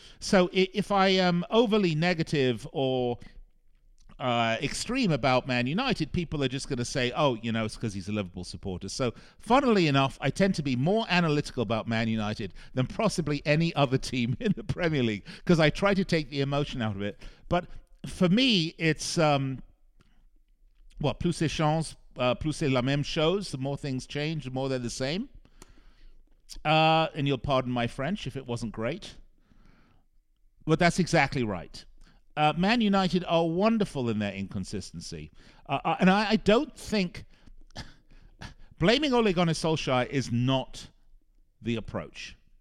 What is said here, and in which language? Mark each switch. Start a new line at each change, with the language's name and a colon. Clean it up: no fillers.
English: So if I am overly negative or extreme about Man United, people are just going to say, oh, you know, it's because he's a Liverpool supporter. So funnily enough, I tend to be more analytical about Man United than possibly any other team in the Premier League, because I try to take the emotion out of it. But for me, it's
French: plus c'est chance, plus c'est la même chose.
English: The more things change, the more they're the same. And you'll pardon my French if it wasn't great. But that's exactly right. Man United are wonderful in their inconsistency. And I don't think... blaming Ole Gunnar Solskjaer is not the approach.